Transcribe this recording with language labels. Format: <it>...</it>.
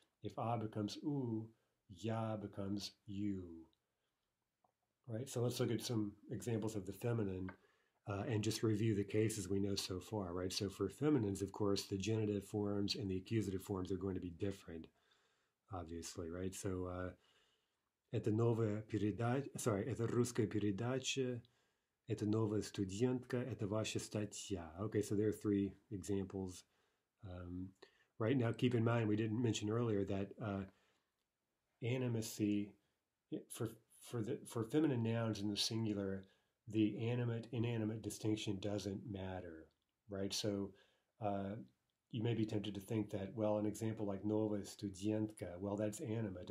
<en>If a becomes u, ya becomes you, right? So let's look at some examples of the feminine. And just review the cases we know so far, right? So for feminines, of course, the genitive forms and the accusative forms are going to be different, obviously, right?</en> <ru>So, это новая передача,</ru> <en>sorry,</en> <ru>это русская передача, это новая студентка, это ваша статья.</ru> <en>Okay, so there are three examples. Right now, keep in mind, we didn't mention earlier that animacy, for feminine nouns in the singular, the animate inanimate distinction doesn't matter, right? So you may be tempted to think that, well, an example like nova studentka, well, that's animate.</en>